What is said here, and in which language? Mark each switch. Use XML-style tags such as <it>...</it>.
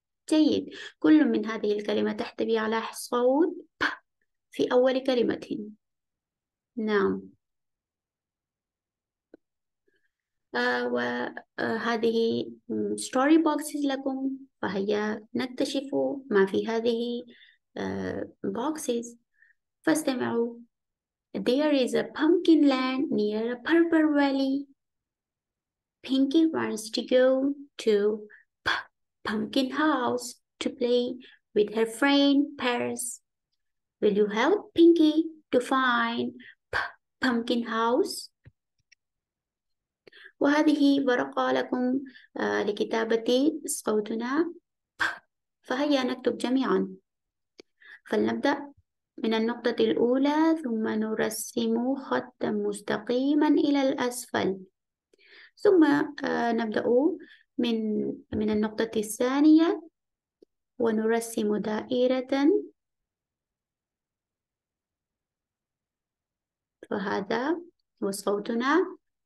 <ar>جيد، كل من هذه الكلمات تحتوي على صوت ب في أول كلمة. نعم، وهذه ستوري بوكسز لكم، فهيا نكتشف ما في هذه بوكسز. فاستمعوا.</ar> <en>There is a pumpkin land near a purple valley. Pinky wants to go to Pumpkin house to play with her friend Pears. Will you help Pinky to find Pumpkin house?</en> <ar>وهذه ورقة لكم لكتابة صوتنا، فهيا نكتب جميعا. فلنبدأ من النقطة الأولى، ثم نرسم خطا مستقيما إلى الأسفل، ثم نبدأ من النقطة الثانية ونرسم دائرة، فهذا هو صوتنا.</ar>